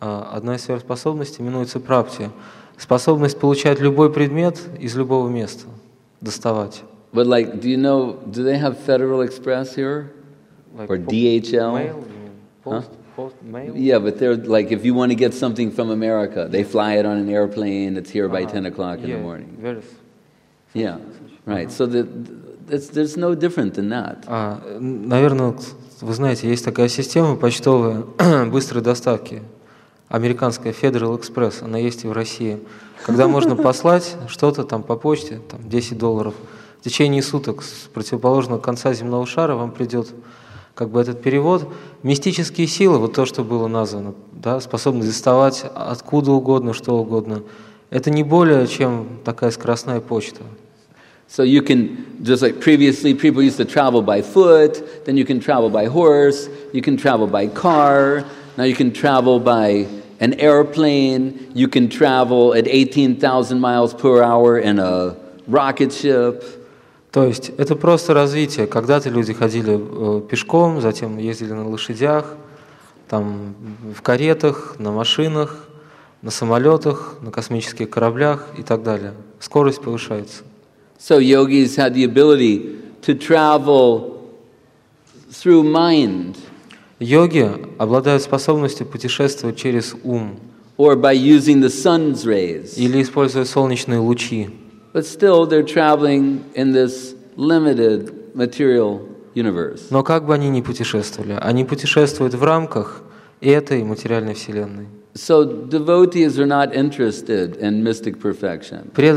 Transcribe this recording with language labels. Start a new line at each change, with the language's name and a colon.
Russian: Одна из сверхспособностей именуется прапти, способность получать любой предмет из любого места, доставать.
English: But like, do you know, do they have Federal Express here? Like or DHL? Mail, post mail? Yeah, but they're like, if you want to get something from America, they fly it on an airplane, it's here by 10 o'clock in the morning. Yeah, right. So there's no different than that.
Russian: Наверное, вы знаете, есть такая система почтовой быстрой доставки, американская Federal Express, она есть и в России, когда можно послать что-то там по почте, там $10, в течение суток с противоположного конца земного шара вам придет как бы этот перевод. Мистические силы, вот то, что было названо, да, способность доставать откуда угодно, что угодно, это не более, чем такая скоростная почта.
English: So you can, just like previously, people used to travel by foot, then you can travel by horse, you can travel by car, now you can travel by an airplane, you can travel at 18,000 miles per hour in a rocket ship.
Russian: То есть это просто развитие. Когда-то люди ходили пешком, затем ездили на лошадях, там, в каретах, на машинах, на самолетах, на космических кораблях и так далее. Скорость повышается.
English: So yogis had the ability to travel through mind.
Russian: Йоги обладают способностью путешествовать через ум.
English: Or by using the sun's rays.
Russian: Или используя солнечные лучи.
English: But still, they're traveling in this limited material universe.
Russian: Но как бы они ни путешествовали, они путешествуют в рамках этой материальной вселенной.
English: So devotees are not interested in mystic perfection.